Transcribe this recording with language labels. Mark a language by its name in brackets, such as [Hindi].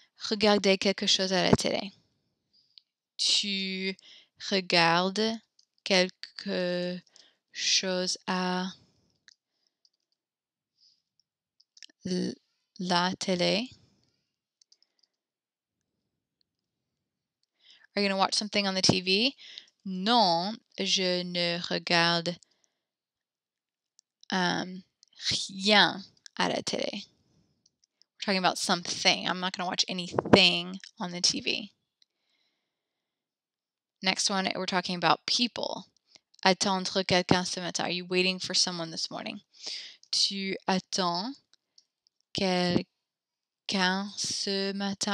[French] Regardez quelque chose à la télé. Tu regardes quelque chose à la télé? [English] Are you going to watch something on the TV? [French] Non, je ne regarde rien à la télé. [English] We're talking about something. I'm not going to watch anything on the TV. Next one, we're talking about people. [French] Attendre quelqu'un ce matin. [English] Are you waiting for someone this morning? [French] Tu attends quelqu'un ce matin.